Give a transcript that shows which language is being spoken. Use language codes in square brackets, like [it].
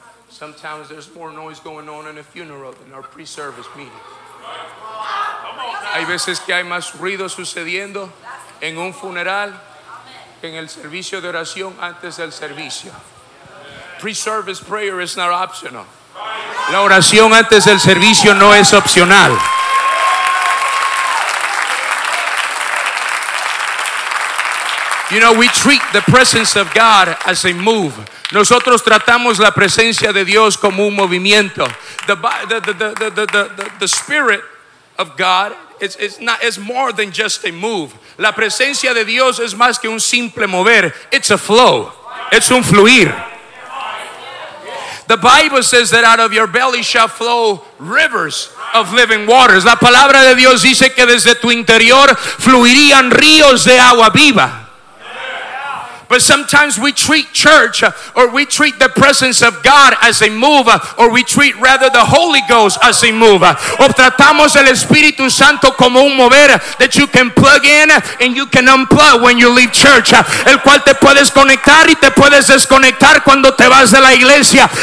[en] Sometimes there's more noise going on in a funeral than our pre-service meeting. [es] Hay veces que hay más ruido sucediendo en un funeral que en el servicio de oración antes del servicio. [en] Pre-service prayer is not optional. [es] La oración antes del servicio no es opcional. [en] You know, we treat the presence of God as a move. [es] Nosotros tratamos la presencia de Dios como un movimiento. [en] The spirit of God is more than just a move. [es] La presencia de Dios es más que un simple mover. [en] It's a flow. [es] Es un fluir. [en] The Bible says that out of your belly shall flow rivers of living waters. [es] La palabra de Dios dice que desde tu interior fluirían ríos de agua viva. [en] But sometimes we treat church or we treat the presence of God as a move, or we treat rather the Holy Ghost as a move. [es] O tratamos el Espíritu Santo como un mover [en] that you can plug in and you can unplug when you leave church, [es] el cual te puedes conectar y te puedes desconectar cuando te vas de la iglesia.